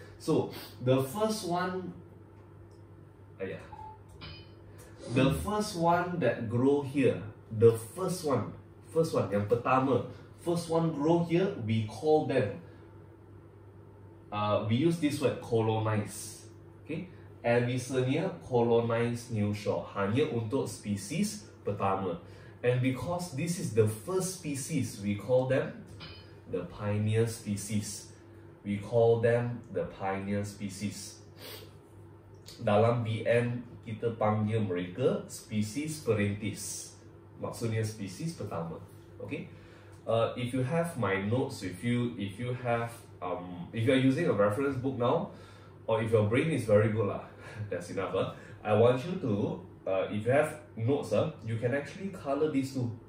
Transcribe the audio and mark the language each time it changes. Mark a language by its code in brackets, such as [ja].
[en] So, the first one, the first one that grow here, the first one, [ms] yang pertama, [en] first one grow here, we call them, we use this word, colonize. Okay, Avicennia colonize new shore, [ms] hanya untuk species pertama. [en] And because this is the first species, we call them the pioneer species. We call them the pioneer species. [ms] Dalam BM, kita panggil mereka species perintis. Maksudnya species pertama. Okay? [en] If you have my notes with you, if you are using a reference book now, or if your brain is very good, that's enough. I want you to, if you have notes, you can actually color these two.